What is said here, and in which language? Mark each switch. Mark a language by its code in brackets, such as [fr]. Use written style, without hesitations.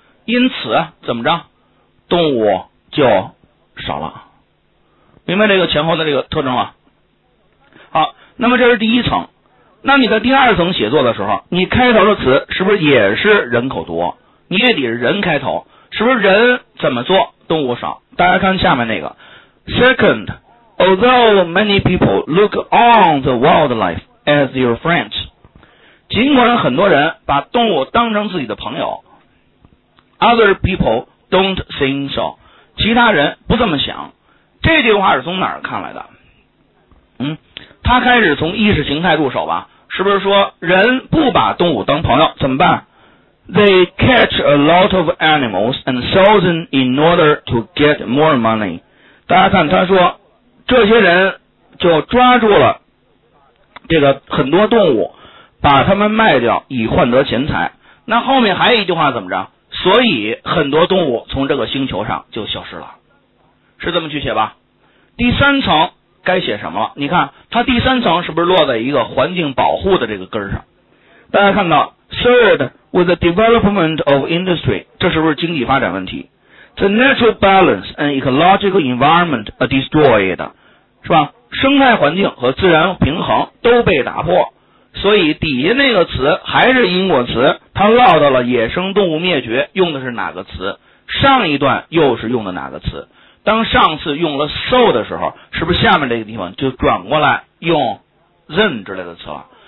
[zh] 因此怎么着，动物就少了。明白这个前后的这个特征吗？好，那么这是第一层。那你在第二层写作的时候，你开头的词是不是也是人口多？你也得是人开头，是不是人怎么做动物少？大家看下面那个 [en] Second, although many people look on the wildlife as your friends, [zh] 尽管很多人把动物当成自己的朋友， [en] Other people don't think so, [zh] 其他人不这么想。这句话是从哪儿看来的？他开始从意识形态入手吧，是不是说人不把动物当朋友怎么办？ [en] They catch a lot of animals and sell them in order to get more money. [zh] 大家看他说这些人就抓住了这个很多动物，把他们卖掉以换得钱财。那后面还有一句话怎么着，所以很多动物从这个星球上就消失了，是这么去写吧。第三层该写什么了？你看它第三层是不是落在一个环境保护的这个根上？大家看到 [en] Third, with the development of industry, [zh] 这是不是经济发展问题？ [en] The natural balance and ecological environment are destroyed, [zh] 是吧？生态环境和自然平衡都被打破，所以底下那个词还是因果词，它落到了野生动物灭绝，用的是哪个词？上一段又是用的哪个词？当上次用了 so 的时候，是不是下面这个地方就转过来用 then 之类的词了？